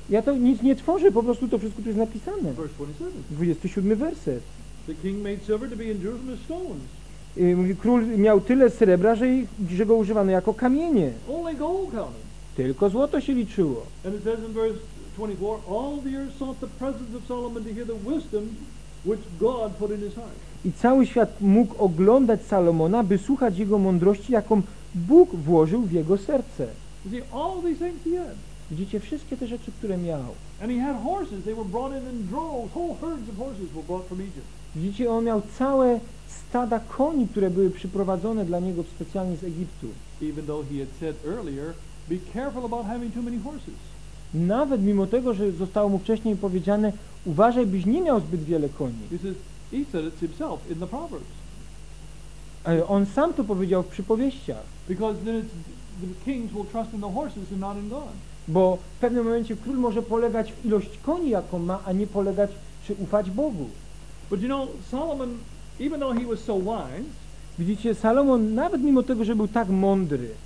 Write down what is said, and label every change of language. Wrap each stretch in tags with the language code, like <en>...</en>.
<pl>Ja to nic nie tworzę, po prostu to wszystko tu jest napisane.</pl> <en>Verse 27.</en> <pl>27 werset.</pl> <en>The king made silver to be in Jerusalem as stones.</en> <pl>Król miał tyle srebra, że go używano jako kamienie.</pl> <en>Only gold counted.</en> <pl>Tylko złoto się liczyło.</pl> <en>And it says in verse 24, all the earth sought the presence of Solomon to hear the wisdom which God put in his heart.</en> <pl>I cały świat mógł oglądać Salomona, by słuchać jego mądrości, jaką Bóg włożył w jego serce.</pl> <en>You see, all these things he had.</en> <pl>Widzicie, wszystkie te rzeczy, które miał.</pl> <en>And he had horses. They were brought in droves. Whole herds of horses were brought from Egypt.</en> <pl>Widzicie, on miał całe stada koni, które były przyprowadzone dla niego specjalnie z Egiptu.</pl> <en>Even though he had said earlier, be careful about having too many horses.</en> <pl>Nawet mimo tego, że zostało mu wcześniej powiedziane, uważaj, byś nie miał zbyt wiele koni.</pl> <en>He says, he said it himself in the Proverbs.</en> <pl>On sam to powiedział w przypowieściach.</pl> <en>Because then it's, the kings will trust in the horses and not in God.</en> <pl>Bo w pewnym momencie król może polegać w ilość koni, jaką ma, a nie polegać czy ufać Bogu.</pl> <en>But you know, Solomon, even though he was so wise,</en> <pl>widzicie, Salomon, nawet mimo tego, że był tak mądry,</pl>